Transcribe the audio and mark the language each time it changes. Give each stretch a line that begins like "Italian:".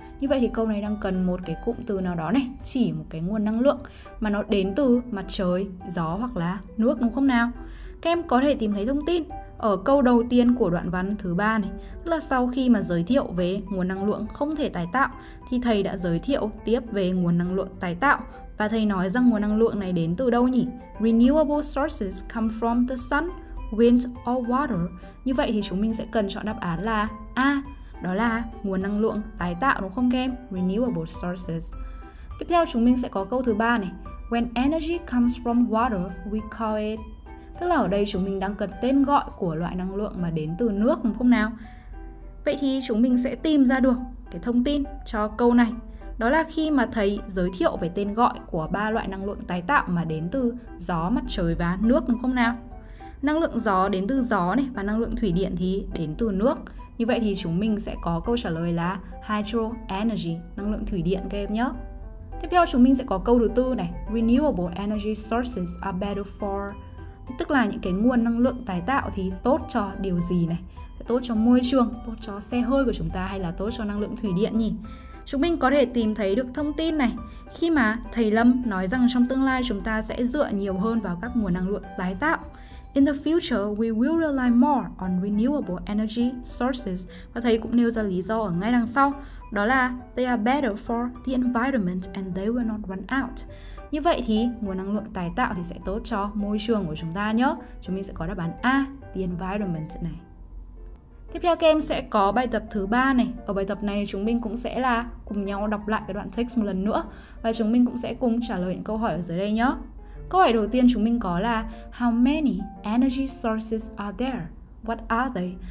Vietnamese: Như vậy thì câu này đang cần một cái cụm từ nào đó này, chỉ một cái nguồn năng lượng mà nó đến từ mặt trời, gió hoặc là nước đúng không nào? Các em có thể tìm thấy thông tin ở câu đầu tiên của đoạn văn thứ 3 này, tức là sau khi mà giới thiệu về nguồn năng lượng không thể tái tạo thì thầy đã giới thiệu tiếp về nguồn năng lượng tái tạo và thầy nói rằng nguồn năng lượng này đến từ đâu nhỉ?
English: Renewable sources come from the sun, wind or water.
Vietnamese: Như vậy thì chúng mình sẽ cần chọn đáp án là A. Đó là nguồn năng lượng tái tạo đúng không kem?
English: Renewable sources.
Vietnamese: Tiếp theo chúng mình sẽ có câu thứ 3 này.
English: When energy comes from water, we call it.
Vietnamese: Tức là ở đây chúng mình đang cần tên gọi của loại năng lượng mà đến từ nước đúng không nào? Vậy thì chúng mình sẽ tìm ra được cái thông tin cho câu này. Đó là khi mà thầy giới thiệu về tên gọi của ba loại năng lượng tái tạo mà đến từ gió, mặt trời và nước đúng không nào? Năng lượng gió đến từ gió này và năng lượng thủy điện thì đến từ nước. Như vậy thì chúng mình sẽ có câu trả lời là hydro energy, năng lượng thủy điện các em nhé. Tiếp theo chúng mình sẽ có câu thứ tư này,
English: renewable energy sources are better for.
Vietnamese: Tức là những cái nguồn năng lượng tái tạo thì tốt cho điều gì này? Sẽ tốt cho môi trường, tốt cho xe hơi của chúng ta hay là tốt cho năng lượng thủy điện nhỉ? Chúng mình có thể tìm thấy được thông tin này khi mà thầy Lâm nói rằng trong tương lai chúng ta sẽ dựa nhiều hơn vào các nguồn năng lượng tái tạo.
English: In the future, we will rely more on renewable energy sources.
Vietnamese: Và thầy cũng nêu ra lý do ở ngay đằng sau. Đó là
English: they are better for the environment and they will not run out.
Vietnamese: Như vậy thì nguồn năng lượng tái tạo thì sẽ tốt cho môi trường của chúng ta nhé. Chúng mình sẽ có đáp án A, the environment này. Tiếp theo các em sẽ có bài tập thứ 3 này. Ở bài tập này chúng mình cũng sẽ là cùng nhau đọc lại cái đoạn text một lần nữa. Và chúng mình cũng sẽ cùng trả lời những câu hỏi ở dưới đây nhé. Câu hỏi đầu tiên chúng mình có là
English: how many energy sources are there? What are they?